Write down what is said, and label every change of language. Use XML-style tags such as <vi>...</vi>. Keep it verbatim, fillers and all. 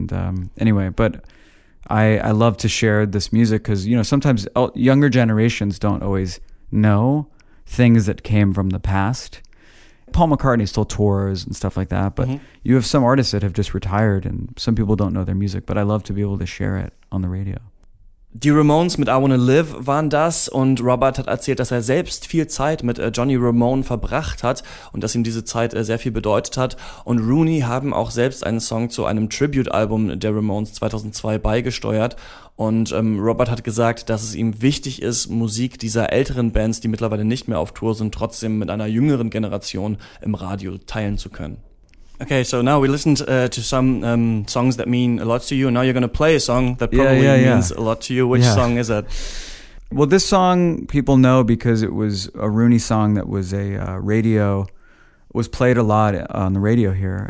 <en>And um, anyway, but... I, I love to share this music because, you know, sometimes el- younger generations don't always know things that came from the past. Paul McCartney still tours and stuff like that, but mm-hmm. you have some artists that have just retired and some people don't know their music, but I love to be able to share it on the radio.</en> <de>Die Ramones mit I Wanna Live waren das, und Robert hat erzählt, dass er selbst viel Zeit mit äh, Johnny Ramone verbracht hat und dass ihm diese Zeit äh, sehr viel bedeutet hat, und Rooney haben auch selbst einen Song zu einem Tribute-Album der Ramones zweitausendzwei beigesteuert, und ähm, Robert hat gesagt, dass es ihm wichtig ist, Musik dieser älteren Bands, die mittlerweile nicht mehr auf Tour sind, trotzdem mit einer jüngeren Generation im Radio teilen zu können.</de> <en>Okay, so now we listened uh, to some um, songs that mean a lot to you. Now you're going to play a song that probably yeah, yeah, yeah. means a lot to you. Which yeah. song is that? Well, this song people know because it was a Rooney song that was a uh, radio, was played a lot on the radio here.</en>